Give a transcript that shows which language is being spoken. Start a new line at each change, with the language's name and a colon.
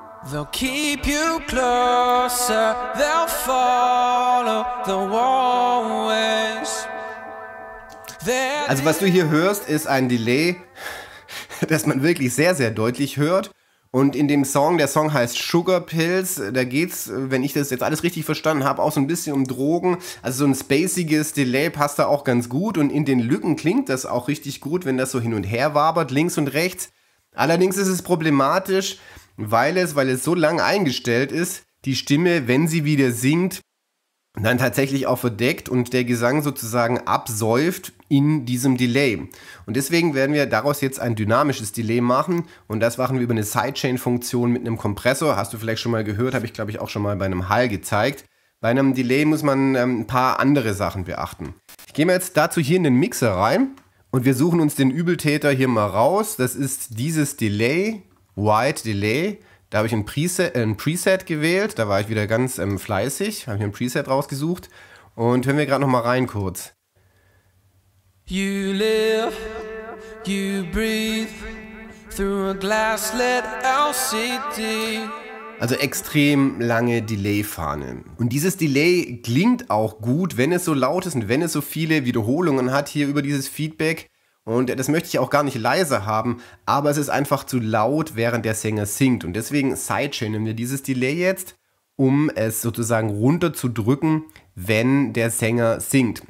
English: They'll keep you closer, they'll follow the walls.
German: Also was du hier hörst, ist ein Delay, das man wirklich sehr, sehr deutlich hört. Und in dem Song, der Song heißt Sugar Pills, da geht's, wenn ich das jetzt alles richtig verstanden habe, auch so ein bisschen um Drogen. Also so ein spaciges Delay passt da auch ganz gut. Und in den Lücken klingt das auch richtig gut, wenn das so hin und her wabert, links und rechts. Allerdings ist es problematisch, weil es so lang eingestellt ist, die Stimme, wenn sie wieder singt, dann tatsächlich auch verdeckt und der Gesang sozusagen absäuft in diesem Delay. Und deswegen werden wir daraus jetzt ein dynamisches Delay machen, und das machen wir über eine Sidechain-Funktion mit einem Kompressor. Hast du vielleicht schon mal gehört, habe ich glaube ich auch schon mal bei einem Hall gezeigt. Bei einem Delay muss man ein paar andere Sachen beachten. Ich gehe mal jetzt dazu hier in den Mixer rein und wir suchen uns den Übeltäter hier mal raus. Das ist dieses Delay. White Delay, da habe ich ein Preset gewählt, da war ich wieder ganz fleißig, habe ich ein Preset rausgesucht und hören wir gerade noch mal rein kurz.
English: You live, you breathe, through a glass lit LCD.
German: Also extrem lange Delay-Fahne. Und dieses Delay klingt auch gut, wenn es so laut ist und wenn es so viele Wiederholungen hat hier über dieses Feedback. Und das möchte ich auch gar nicht leise haben, aber es ist einfach zu laut, während der Sänger singt. Und deswegen sidechainen wir dieses Delay jetzt, um es sozusagen runterzudrücken, wenn der Sänger singt.